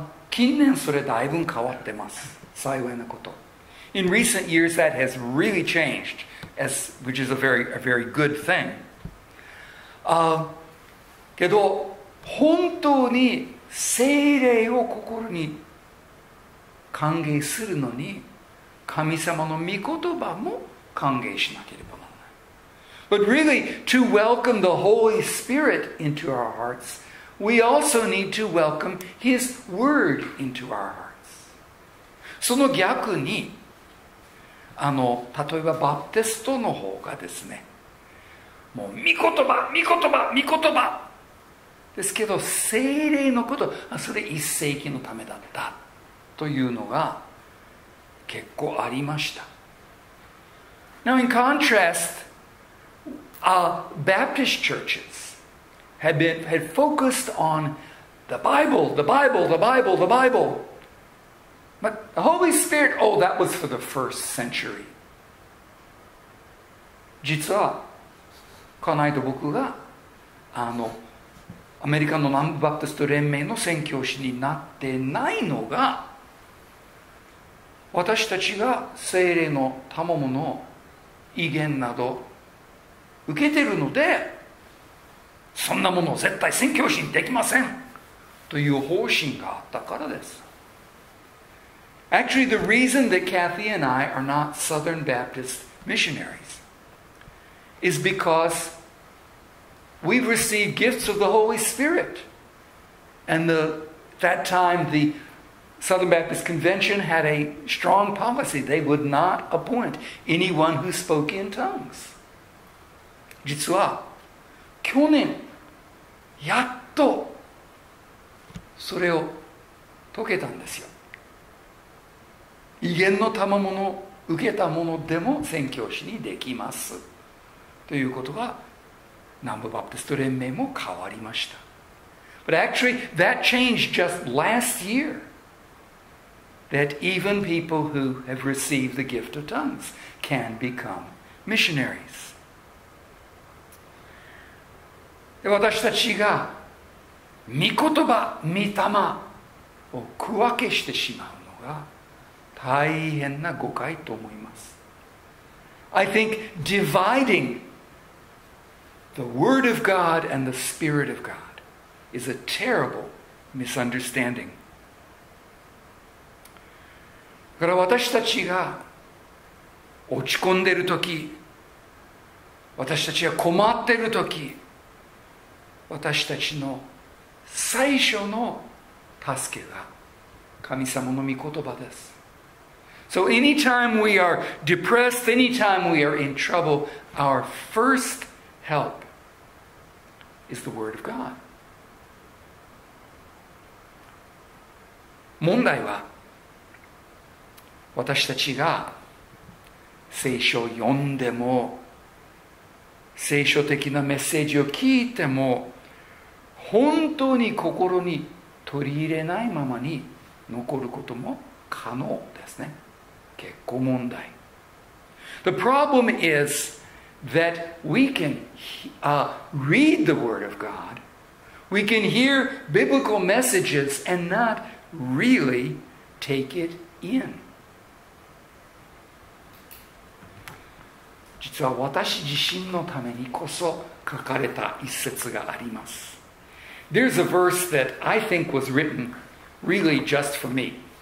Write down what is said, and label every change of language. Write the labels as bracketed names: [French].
[Japanese] 近年それだいぶ変わってます。幸いなこと。 [English] In recent years that has really changed, which is a very good thing. [Japanese] けど本当に聖霊を心に歓迎するのに神様の御言葉も歓迎しなければならない。 [English] But really, to welcome the Holy Spirit into our hearts, we also need to welcome His Word into our hearts. [Japanese] その逆に、例えばバプテストの方がですね、もう御言葉、御言葉、御言葉ですけど、聖霊のこと、それ一世紀のためだったというのが、結構ありました。 [English] Now, in contrast, Baptist churches had focused on the Bible, the Bible, the Bible, the Bible. But the Holy Spirit, oh, that was for the first century. [Japanese] 実は、この間僕がアメリカの南部バプテスト連盟の宣教師になってないのが、私たちが聖霊の賜物の威厳など受けてるのでそんなものを絶対宣教師にできませんという方針があったからです。 [English] Actually the reason that Kathy and I are not Southern Baptist missionaries is because we've received gifts of the Holy Spirit and that time theSouthern Baptist Convention had a strong policy. They would not appoint anyone who spoke in tongues. [Japanese] 実は去年やっとそれを解けたんですよ。威厳の賜物を受けた者でも宣教師にできますということが南部バプテスト連盟も変わりました。 [English] But actually that changed just last year. That even people who have received the gift of tongues can become missionaries. [Japanese] で、私たちが御言葉、御霊を区分けしてしまうのが大変な誤解と思います。 [English] I think dividing the Word of God and the Spirit of God is a terrible misunderstanding. [Japanese] だから私たちが落ち込んでいるとき、私たちが困っているとき、私たちの最初の助けが神様の御言葉です。 [English] So anytime we are depressed, anytime we are in trouble, our first help is the Word of God. [Japanese] 問題は私たちが聖書を読んでも聖書的なメッセージを聞いても本当に心に取り入れないままに残ることも可能ですね。結構問題。 [English] The problem is that we can read the word of God, we can hear biblical messages and not really take it in. [Japanese] 実は私自身のためにこそ書かれた一節があります。 [English] There's a verse that I think was written really just for me.